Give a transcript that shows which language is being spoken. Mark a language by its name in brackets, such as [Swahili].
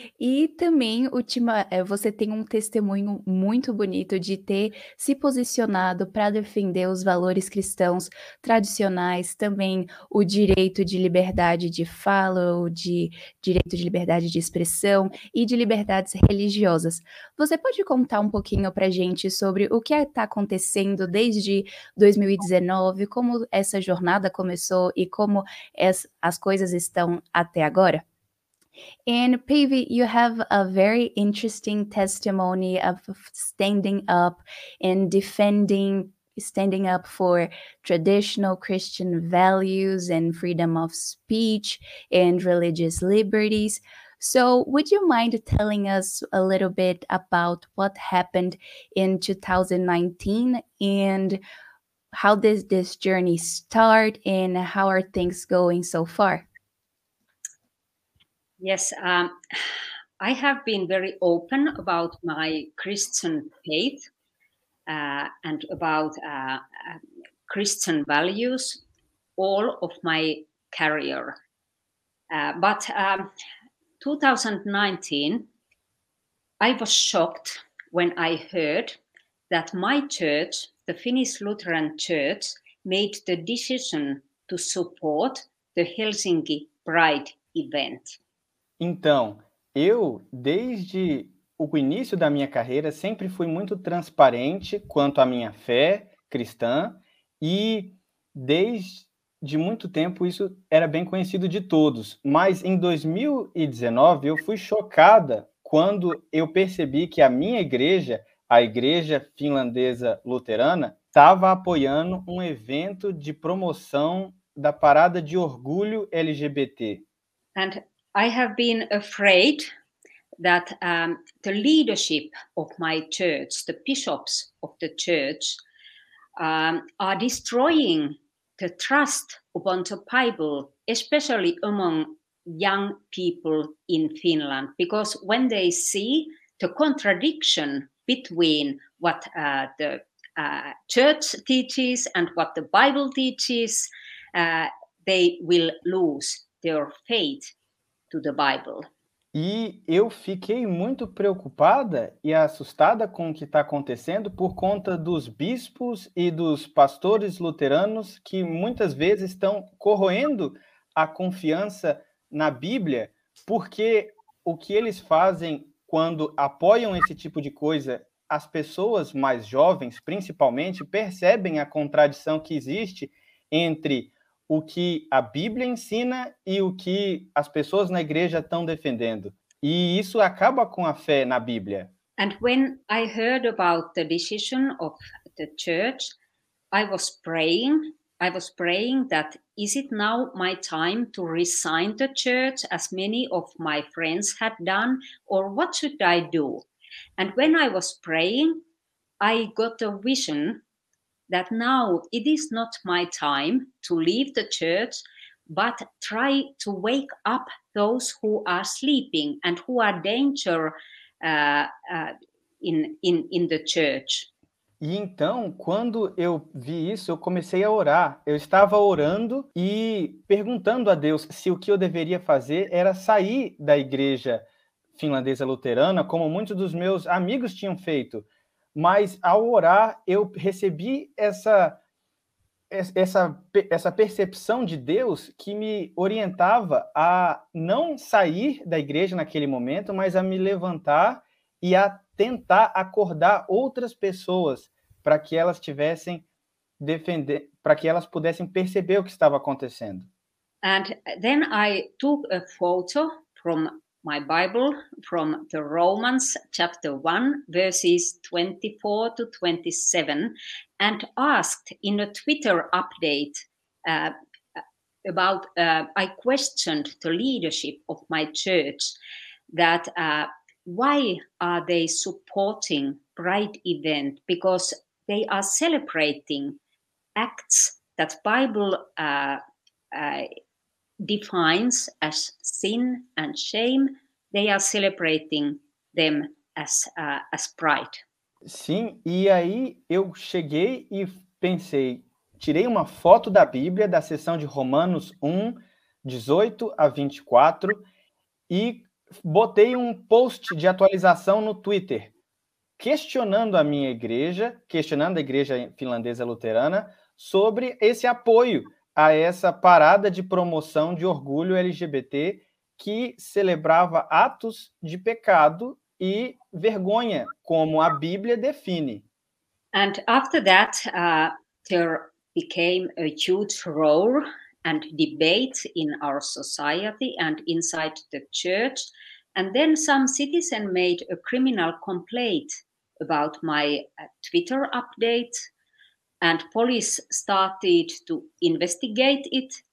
[Portuguese] E também, última, você tem um testemunho muito bonito de ter se posicionado para defender os valores cristãos tradicionais, também o direito de liberdade de fala, ou de direito de liberdade de expressão e de liberdades religiosas. Você pode contar um pouquinho para a gente sobre o que está acontecendo desde 2019, como essa jornada começou e como as coisas estão até agora? [English] And Pavi, you have a very interesting testimony of standing up and defending, standing up for traditional Christian values and freedom of speech and religious liberties. So would you mind telling us a little bit about what happened in 2019 and how did this journey start and how are things going so far? Yes, I have been very open about my Christian faith and about Christian values all of my career. But 2019, I was shocked when I heard that my church, the Finnish Lutheran Church, made the decision to support the Helsinki Pride event. [Portuguese] Então, eu, desde o início da minha carreira, sempre fui muito transparente quanto à minha fé cristã e, desde muito tempo, isso era bem conhecido de todos. Mas, em 2019, eu fui chocada quando eu percebi que a minha igreja, a Igreja Finlandesa Luterana, estava apoiando um evento de promoção da Parada de Orgulho LGBT. [English] I have been afraid that the leadership of my church, the bishops of the church, are destroying the trust upon the Bible, especially among young people in Finland. Because when they see the contradiction between what the church teaches and what the Bible teaches, they will lose their faith to the Bible. [Portuguese] E eu fiquei muito preocupada e assustada com o que está acontecendo por conta dos bispos e dos pastores luteranos que muitas vezes estão corroendo a confiança na Bíblia, porque o que eles fazem quando apoiam esse tipo de coisa, as pessoas mais jovens, principalmente, percebem a contradição que existe entre o que a Bíblia ensina e o que as pessoas na igreja estão defendendo. E isso acaba com a fé na Bíblia. [English] And when I heard about the decision of the church, I was praying that is it now my time to resign the church as many of my friends had done, or what should I do? And when I was praying, I got a vision that now it is not my time to leave the church, but try to wake up those who are sleeping and who are danger in the church. [Portuguese] E então, quando eu vi isso, eu comecei a orar. Eu estava orando e perguntando a Deus se o que eu deveria fazer era sair da Igreja Finlandesa Luterana, como muitos dos meus amigos tinham feito. Mas, ao orar, eu recebi essa percepção de Deus que me orientava a não sair da igreja naquele momento, mas a me levantar e a tentar acordar outras pessoas para que elas tivessem defender, para que elas pudessem perceber o que estava acontecendo. [English] And then I took a photo from my Bible, from the Romans chapter 1, verses 24 to 27, and asked in a Twitter update I questioned the leadership of my church that why are they supporting Pride event? Because they are celebrating acts that Bible defines as sin and shame. They are celebrating them as Pride. [Portuguese] Sim, e aí eu cheguei e pensei, tirei uma foto da Bíblia da seção de Romanos 1, 18 a 24 e botei um post de atualização no Twitter, questionando a minha igreja, questionando a igreja finlandesa luterana, sobre esse apoio a essa parada de promoção de orgulho LGBT que celebrava atos de pecado e vergonha, como a Bíblia define. [English] And after that, there became a huge roar and debate in our society and inside the church. And then some citizen made a criminal complaint about my Twitter update, and police started to investigate it.